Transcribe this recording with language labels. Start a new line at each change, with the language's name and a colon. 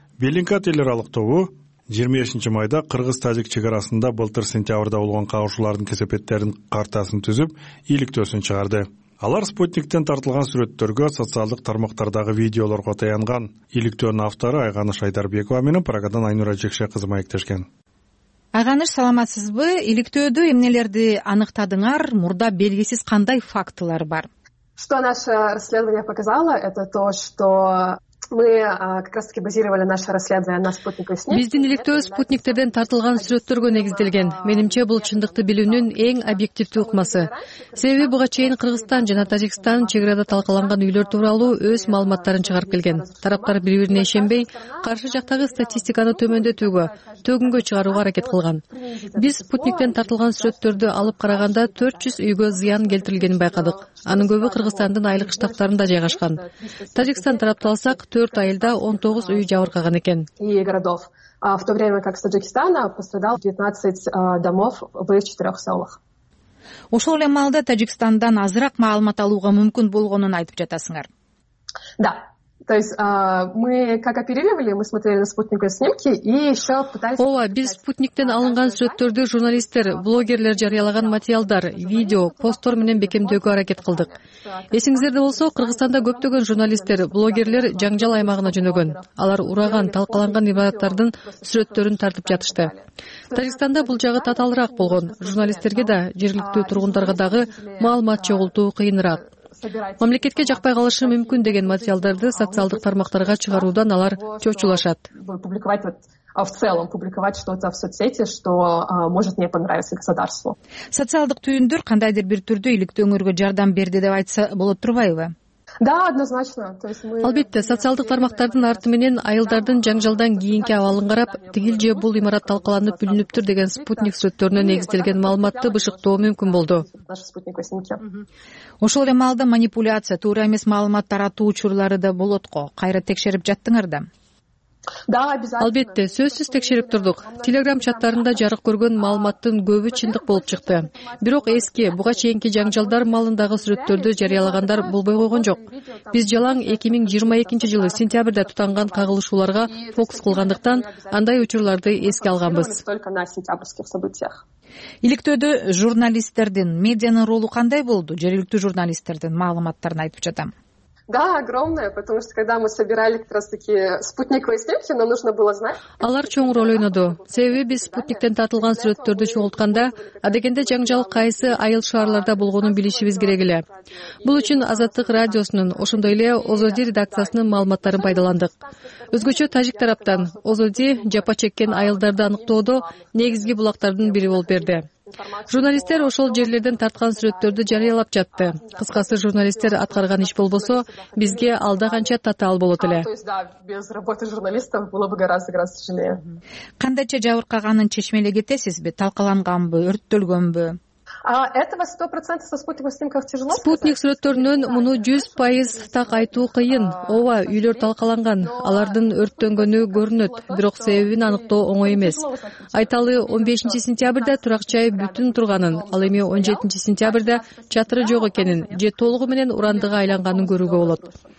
Kyrgyz: Белинкат эл аралык тобу 25 майда кыргыз-тажик чек арасында былтыр сентябрда болгон кагышуулардын кесепеттерин картасын түзүп, иликтөөсүн чыгарды. Алар спутниктен тартылган сүрөттөргө, социалдык тармактардагы видеолорго таянган. Иликтөөнүн автору Айганыш Айдарбекова менен Прагадан Айнура Жекше кызы маектешкен. Айганыш, саламатсызбы? Иликтөөдө эмнелерди аныктадыңар? Мурда белгисиз кандай фактылар бар?
Russian: Что наше расследование показало, это то, что мы как раз-таки базировали наше расследование на спутниковой снимке.
Kyrgyz: Биздин иликтөө спутниктерден тартылган сүрөттөргө негизделген. Менимче, бул чындыкты билүүнүн эң объективдүү ыкмасы. Себеби буга чейин Кыргызстан жана Тажикстан чек арада талкаланган үйлөр тууралуу өз маалыматтарын чыгарып келген. Тараптар бири-бирине ишенбей, каршы жактагы статистиканы төмөндөтүүгө, төгүнгө чыгарууга аракет кылган. Биз спутниктен тартылган сүрөттөрдү алып караганда 400 үйгө зыян келтирилгенин байкадык. Анын көбү Кыргызстандын айылдык кыштактарында жайгашкан. Тажикстан тарапты алсак, 4 айылда 19 үй жабыркаган экен.
Russian: В то время как с Таджикистана пострадал 19 домов в 4 селах.
Kyrgyz: Ошол эле маалда Таджикстандан азыраак маалымат алууга мүмкүн болгонун айтып жатасыңар.
Russian: Да. То есть мы как оперировали, мы смотрели на спутниковые снимки и еще пытались...
Kyrgyz: Ова, биз спутниктен алынган сүрөттөрдү журналисттер, блогерлер жарыялаган материалдар, видео, посттор менен бекемдөөгө аракет кылдык. Эсиңиздерде болсо, Кыргызстанда көптөгөн журналисттер, блогерлер Жаңжал аймагына жөнөгөн. Алар ураган, талкаланган имараттардын сүрөттөрүн тартып жатышты. Тажикстанда бул жагы татаалыраак болгон. Журналисттерге да, жергиликтүү тургундарга дагы маалымат чогултуу кыйыныраак. Мамлекетке жакпай калышы мүмкүн деген материалдарды социалдык тармактарга чыгаруудан алар чочулашат.
Russian: В целом публиковать что-то в соцсети, что может не понравиться государству.
Kyrgyz: Социалдык түйүндөр кандайдыр бир түрдө иликтөө өңөргө жардам берди деп айтса болот турбайбы?
Russian: Да, однозначно. То есть мы
Kyrgyz: Албетте, социалдык тармактардын арты менен айылдардын жаңжалдан кийинки абалын карап, тигил же бул имарат талкаланып бүлүнүптүр деген спутник сүрөттөрүнө негизделген маалыматты бышыктоо мүмкүн болду. Ошол эле маалда манипуляция, туура эмес маалымат таратуу учурлары да болот го. Кайра текшерип жаттыңар да?
Russian: Да, обязательно.
Kyrgyz: Албетте, сөзсүз текшерип турдук. Телеграм чаттарында жарык көргөн маалыматтын көбү чындык болуп чыкты. Бирок эски, буга чейинки жаңжалдар маалындагы сүрөттөрдү жарыялагандар болбой койгон жок. Биз жалаң 2022 жылы сентябрда тутанган кагылышууларга фокус кылгандыктан андай учурларды эске алганбыз. Иликтөөдө журналисттердин, медианын ролу кандай болду? Жергиликтүү журналисттердин маалыматтарын айтып жатам.
Russian: Да, огромное, потому что когда мы собирали как раз таки спутниковые снимки, нам нужно было знать.
Kyrgyz: Алар чоң роль ойноду. Себеби биз спутниктен тартылган сүрөттөрдү чогултканда, адегенде жаңжал кайсы айыл шаарларда болгонун билишибиз керек эле. Бул үчүн Азаттык радиосунун, ошондой эле ОЗОДИ редакциясынын маалыматтарын пайдаландык. Өзгөчө тажик тараптан ОЗОДИ жапа чеккен айылдарды аныктоодо негизги булактардын бири болуп берди. Журналисттер ошол жерлерден тарткан сүрөттөрдү жарыялап жатты. Кыскасы, журналисттер аткарган иш болбосо, бизге алда канча татаал болот эле.
Russian: Без работы журналистов было бы гораздо тяжелее.
Kyrgyz: Кандайча жабыркаганын чечмеле кетесизби? Талкаланганбы, өрттөлгөнбү?
Russian: Этого 100% со спутниковых снимков тяжело.
Kyrgyz: Спутник сүрөттөрүнөн муну 100% так айтуу кыйын. Ова, үйлөр талкаланган, алардын өрттөнгөнү көрүнөт, бирок себебин аныктоо оңой эмес. Айталы 15 сентябрда турак жай бүтүн турганын, ал эми 17 сентябрда чатыры жок экенин же толугу менен урандыга айланганын көрүүгө болот.